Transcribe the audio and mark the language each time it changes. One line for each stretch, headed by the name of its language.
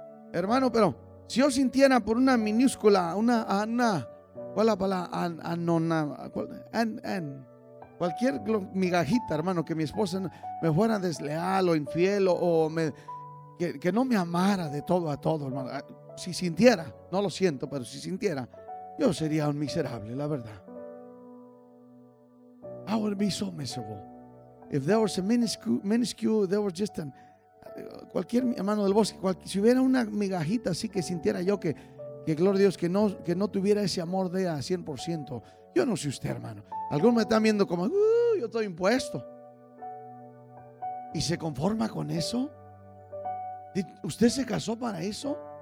Spanish: Hermano, pero si yo sintiera por una minúscula, una ¿cuál es la palabra? Cualquier migajita, hermano, que mi esposa me fuera desleal o infiel o que no me amara de todo a todo, hermano. Si sintiera, no lo siento, pero si sintiera, yo sería un miserable, la verdad.
English: I would be so miserable. If there was a minuscule, there was just an...
Spanish: Cualquier hermano del bosque, si hubiera una migajita así que sintiera yo que gloria a Dios, que no tuviera ese amor de a 100%. Yo no sé usted, hermano. Algunos me están viendo como, yo estoy impuesto. ¿Y se conforma con eso? ¿Usted se casó para eso?